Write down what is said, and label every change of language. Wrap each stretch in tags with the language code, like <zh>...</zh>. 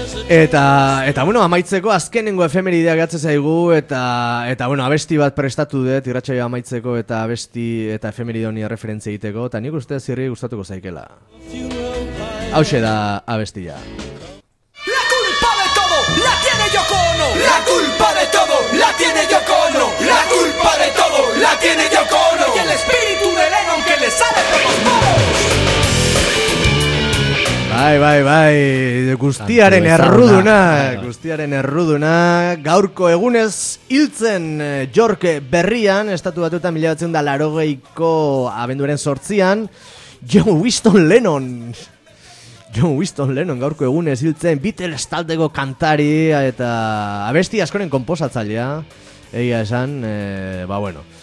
<eu>Eta bueno, amaitzeko azkenengo efemeridea gehatzen zaigu eta bueno, abesti bat prestatu dut irratsaio amaitzeko eta abesti eta efemeridoni referentzia egiteko eta nik uste zirri gustatuko zaikela. Hau da abestia.</eu> <es>La culpa de todo la tiene Yoko Ono. La culpa de todo la tiene Yoko Ono. La culpa de todo la tiene Yoko Ono. Y el espíritu de Lennon que le sale por los poros.</es> <eu>Bai, guztiaren erruduna, guztiaren erruduna, gaurko egunez hiltzen Jorke berrian, estatu batuetan 1980ko abenduaren 8an, John Winston Lennon gaurko egunez hiltzen Beatles taldeko kantari eta abesti askoren konposatzailea, egia esan, bueno.</eu>